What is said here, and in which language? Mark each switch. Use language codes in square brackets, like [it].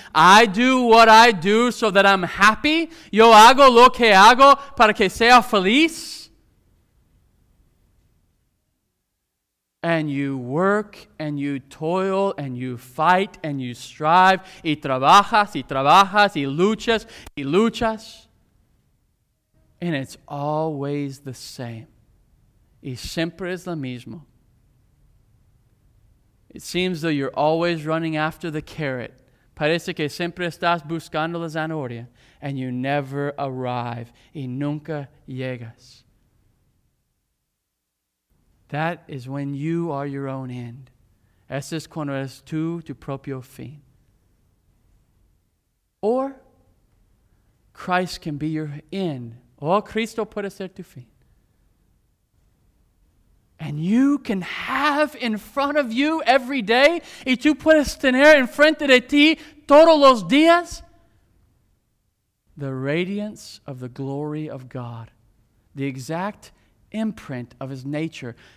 [en] I do what I do so that I'm happy. [es] Yo hago lo que hago para que sea feliz. [en] And you work and you toil and you fight and you strive. [es] Y trabajas y trabajas y luchas y luchas. [en] And it's always the same. [es] Y siempre es lo mismo. [en] It seems though you're always running after the carrot. [es] Parece que siempre estás buscando la zanahoria. [en] And you never arrive. [es] Y nunca llegas. [en] That is when you are your own end. [es] Ese es cuando eres tú, tu propio fin. [en] Or, Christ can be your end. [es] O Cristo puede ser tu fin. [en] And you can have in front of you every day, [es] y tú puedes tener en frente de ti todos los días, [en] the radiance of the glory of God, the exact imprint of His nature.